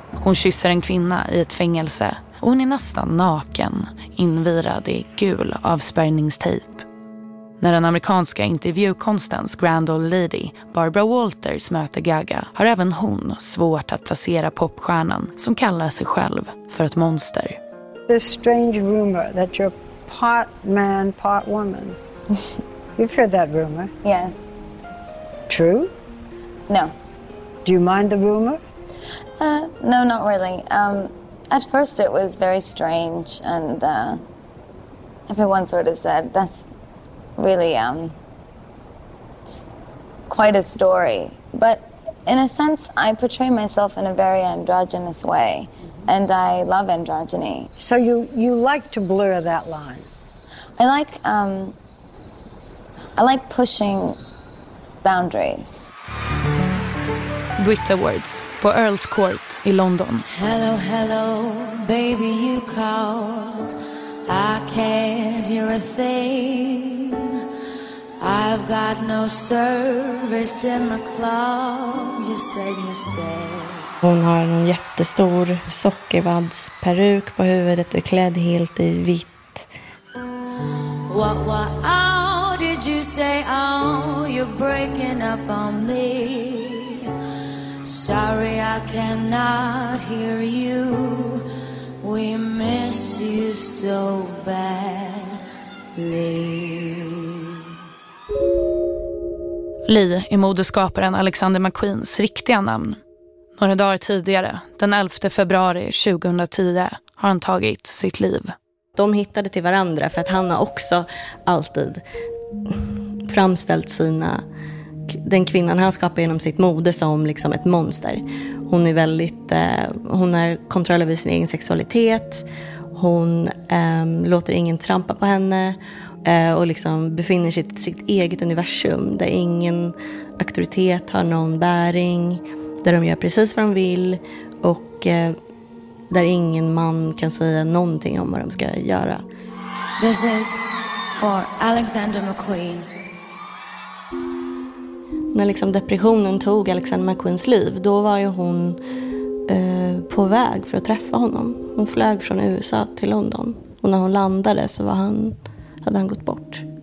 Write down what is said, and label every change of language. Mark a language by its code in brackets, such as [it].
[sv] Hon kysser en kvinna i ett fängelse och hon är nästan naken, invirad i gul avspärrningstejp. När den amerikanska intervjukonstens [en] grand old lady [sv] Barbara Walters möter Gaga har även hon svårt att placera popstjärnan som kallar sig själv för ett monster. [en] This strange rumor that you're part man, part woman. You've heard that rumor? Yeah. True? No. Do you mind the rumor? No, not really. At first it was very strange and everyone sort of said that's really quite a story. But in a sense, I portray myself in a very androgynous way, and I love androgyny. So you like to blur that line? I like pushing boundaries. [sv] Brit Awards på Earl's Court i London. [en] Hello, hello, baby, you called. I can't hear a thing. I've got no service in my club, you said, you said. [sv] Hon har en jättestor sockervadsperuk på huvudet och är klädd helt i vitt. [en] What, oh, did you say, oh, you're breaking up on me. Sorry I cannot hear you, we miss you so badly. [sv] Li är moderskaparen Alexander McQueens riktiga namn. Några dagar tidigare, den 11 februari 2010, har han tagit sitt liv. De hittade till varandra för att han har också alltid framställt den kvinnan han skapar genom sitt mode som liksom ett monster. Hon är väldigt, hon har kontroll över sin egen sexualitet. Hon låter ingen trampa på henne och liksom befinner sig i sitt eget universum där ingen auktoritet har någon bäring, där de gör precis vad de vill och där ingen man kan säga någonting om vad de ska göra. [en] This is for Alexander McQueen. [sv] När liksom depressionen tog Alexander McQueens liv, då var ju hon på väg för att träffa honom. Hon flög från USA till London och när hon landade så var han, hade han gått bort.